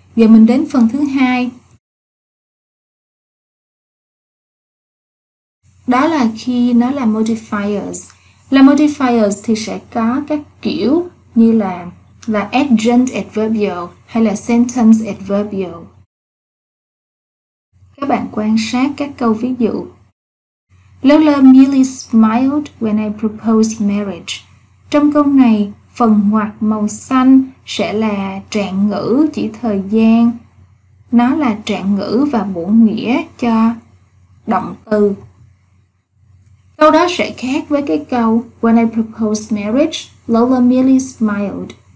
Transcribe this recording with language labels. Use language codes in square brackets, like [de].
[vi] Giờ mình đến phần thứ hai, đó là khi nó là modifiers. Là modifiers thì sẽ có các kiểu như là adjunct adverbial hay là sentence adverbial. Các bạn quan sát các câu ví dụ. [en] Lola merely smiled when I proposed marriage. [vi] Trong câu này, phần ngoặc màu xanh sẽ là trạng ngữ chỉ thời gian. Nó là trạng ngữ và bổ nghĩa cho động từ. Câu đó sẽ khác với cái câu [en] when I proposed marriage, Lola merely smiled.